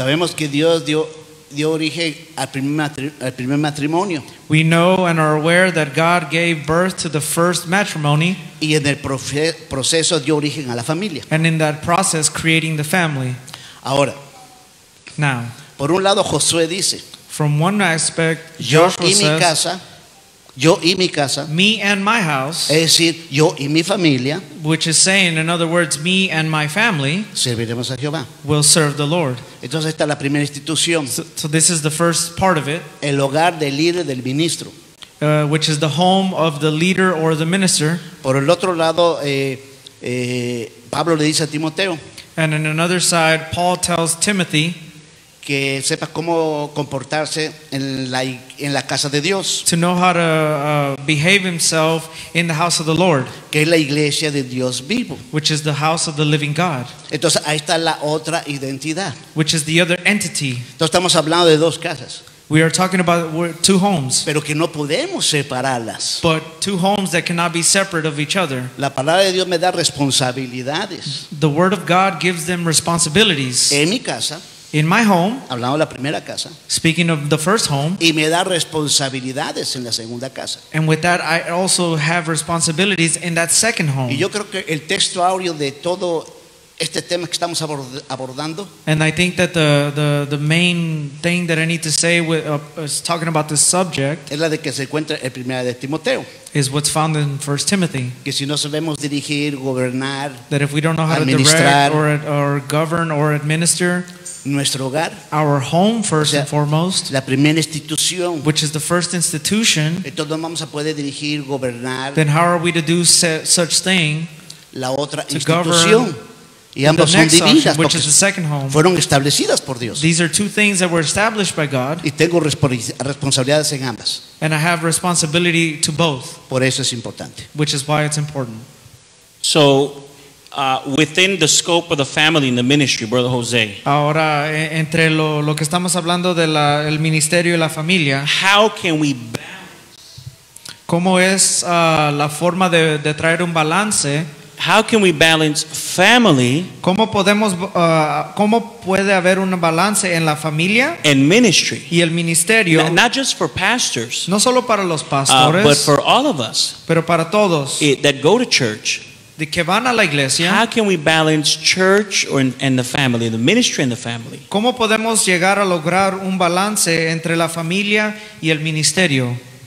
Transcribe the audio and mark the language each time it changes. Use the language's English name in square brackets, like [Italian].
[Spanish] Sabemos que Dios dio origen al primer matrimonio. [English] We know and are aware that God gave birth to the first matrimony. [Spanish] Y en el proceso dio origen a la familia. [English] And in that process, creating the family. [Spanish] Ahora. [English] Now. [Spanish] Por un lado, Josué dice. [English] From one aspect, Joshua says. [Spanish] Yo y mi casa. [English] Me and my house. [Spanish] Es decir, yo y mi familia. [English] Which is saying, in other words, me and my family. [Spanish] Serviremos a Jehová. [English] Will serve the Lord. [Spanish] Entonces esta es la primera institución. [English] So this is the first part of it. [Spanish] El hogar del líder del ministro. [English] Which is the home of the leader or the minister. [Spanish] Por el otro lado, Pablo le dice a Timoteo. [English] And in another side, Paul tells Timothy. [Spanish] Que sepa cómo comportarse en la casa de Dios. [English] To know how to behave himself in the house of the Lord. [Spanish] Que es la iglesia de Dios vivo. [English] Which is the house of the living God. [Spanish] Entonces ahí está la otra identidad. [English] Which is the other entity. [Spanish] Entonces estamos hablando de dos casas. [English] We are talking about two homes. [Spanish] Pero que no podemos separarlas. [English] But two homes that cannot be separate of each other. [Spanish] La palabra de Dios me da responsabilidades. [English] The word of God gives them responsibilities. [Spanish] En mi casa. [English] In my home, [Spanish] hablando de la primera casa, [English] speaking of the first home, [Spanish] y me da responsabilidades en la segunda casa. [English] And with that, I also have responsibilities in that second home. [Spanish] Y yo creo que el texto áureo de todo este tema que estamos abordando, [English] and I think that the main thing that I need to say is talking about this subject, [Spanish] es la de que se encuentra en primera de Timoteo, [English] is what's found in 1 Timothy. [Spanish] Que si no sabemos dirigir, gobernar, [English] that if we don't know how to direct or govern or administer. [Spanish] Nuestro hogar, [English] our home first, [Spanish] o sea, [English] and foremost, [Spanish] la primera institución, [English] which is the first institution, [Spanish] entonces no vamos a poder dirigir, gobernar, [English] then how are we to do such thing, [Spanish] la otra [English] to [Spanish] institución, [English] govern, [Spanish] y ambas [English] the next [Spanish] son divinas, [English] option, which is the second home. [Spanish] Fueron establecidas por Dios. [English] These are two things that were established by God, [Spanish] y tengo responsabilidades en ambas. [English] And I have responsibility to both, [Spanish] por eso es importante. [English] Which is why it's important. So, within the scope of the family in the ministry, Brother Jose. [Spanish] Ahora, entre lo que estamos hablando de el ministerio y la familia. [English] How can we balance? [Spanish] ¿Cómo es la forma de traer un balance? [English] How can we balance family? [Spanish] ¿Cómo podemos cómo puede haber un balance en la familia? [English] And ministry. [Spanish] Y el ministerio. [English] Not just for pastors. [Spanish] No solo para los pastores. [English] But for all of us. [Spanish] Pero para todos. [English] That go to church. [Spanish] De que van a la iglesia. [English] How can we balance church and the family, the ministry and the family? [Spanish] ¿Cómo podemos llegar a lograr un balance entre la familia y el ministerio?